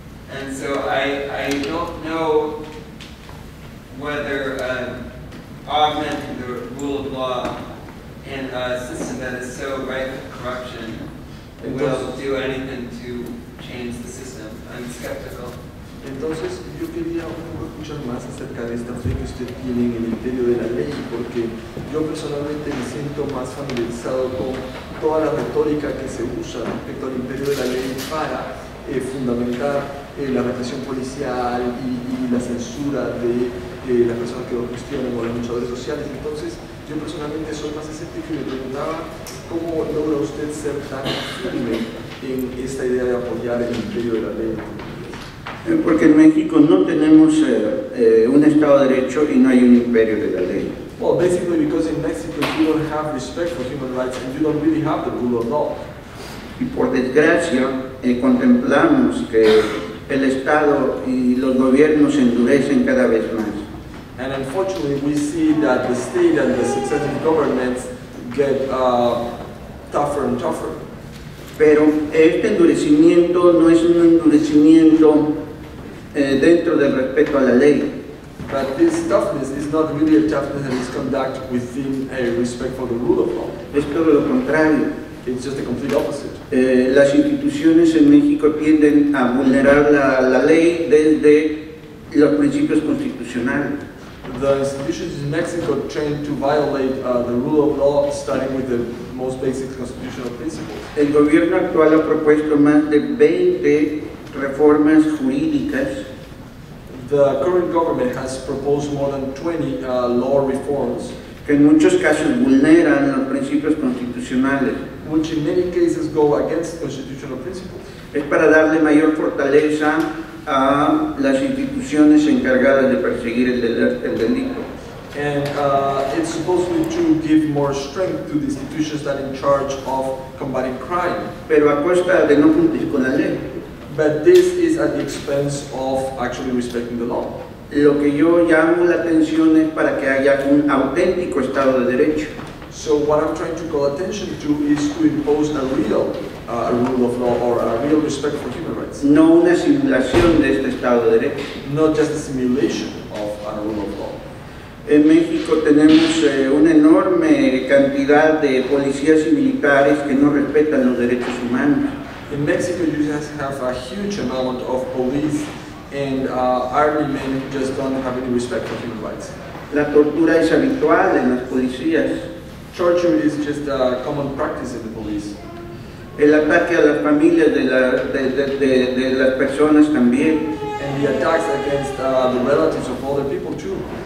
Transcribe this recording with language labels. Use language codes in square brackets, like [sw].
[en] And so I don't know whether augmenting the rule of law in a system that is so rife with corruption will do anything to change the system. I'm skeptical. [es] Entonces, yo quería escuchar más acerca de esta fe que usted tiene en el imperio de la ley, porque yo personalmente me siento más familiarizado con toda la retórica que se usa respecto al imperio de la ley para fundamentar la represión policial y la censura de las personas que lo cuestionan o los luchadores sociales. Entonces, yo personalmente soy más escéptico y me preguntaba cómo logra usted ser tan firme en esta idea de apoyar el imperio de la ley. Porque en México no tenemos un Estado de Derecho y no hay un imperio de la ley. [en] Well, basically because in Mexico you don't have respect for human rights and you don't really have the rule of law. [es] Y por desgracia, contemplamos que el Estado y los gobiernos se endurecen cada vez más. [en] And unfortunately we see that the state and the successive governments get tougher and tougher. [es] Pero este endurecimiento no es un endurecimiento dentro del respeto a la ley. [en] But this toughness is not really a toughness that is conducted within a respect for the rule of law. [es] Es todo lo contrario. [en] It's just the complete opposite. [es] Las instituciones en México tienden a vulnerar la ley desde los principios constitucionales. [en] The institutions in Mexico tend to violate the rule of law, starting with the most basic constitutional principles. [es] El gobierno actual ha propuesto más de 20 reformas jurídicas. [en] The current government has proposed more than 20 law reforms. [es] Que en muchos casos vulneran los principios constitucionales. [en] Which in many cases go against constitutional principles. [es] Es para darle mayor fortaleza a las instituciones encargadas de perseguir el delito. [en] And it's supposed to give more strength to the institutions that are in charge of combating crime. [es] Pero a costa de no cumplir con la ley. [en] But this is at the expense of actually respecting the law. [es] Lo que yo llamo la atención es para que haya un auténtico Estado de Derecho. [en] So what I'm trying to call attention to is to impose a real rule of law or a real respect for human rights. [es] No una simulación de este Estado de Derecho. [en] Not just a simulation of a rule of law. [es] En México tenemos una enorme cantidad de policías y militares que no respetan los derechos humanos. [en] In Mexico you just have a huge amount of police and army men who just don't have any respect for human rights. [es] La tortura es habitual en las policías. [en] Torture is just a common practice in the police. [es] El ataque a las familias de las personas también. [en] And the attacks against the relatives of other people too.